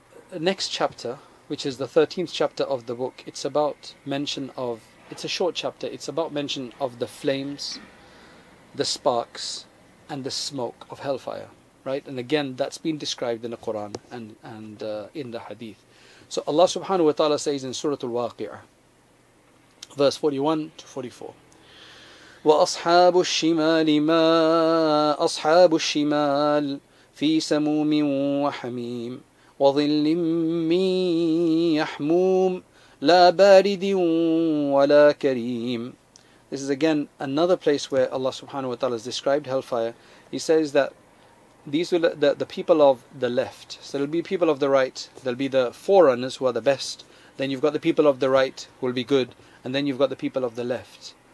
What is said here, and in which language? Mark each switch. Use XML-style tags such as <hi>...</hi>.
<en>The next chapter, which is the 13th chapter of the book, it's about mention of the flames, the sparks and the smoke of hellfire, right? And again, that's been described in the Quran and in the hadith. So Allah subhanahu wa ta'ala says in Surah Al-Waqi'ah, verse 41 to 44,</en> <ar>وَأَصْحَابُ الشِّمَالِ مَا أَصْحَابُ الشِّمَالِ في سموم وحميم وظل من يحموم لا بارد ولا كريم.</ar> <en>This is again another place where Allah subhanahu wa ta'ala has described hellfire. He says that these will the people of the left, so there'll be people of the right, there'll be the forerunners who are the best, then you've got the people of the right who will be good, and then you've got the people of the left.</en>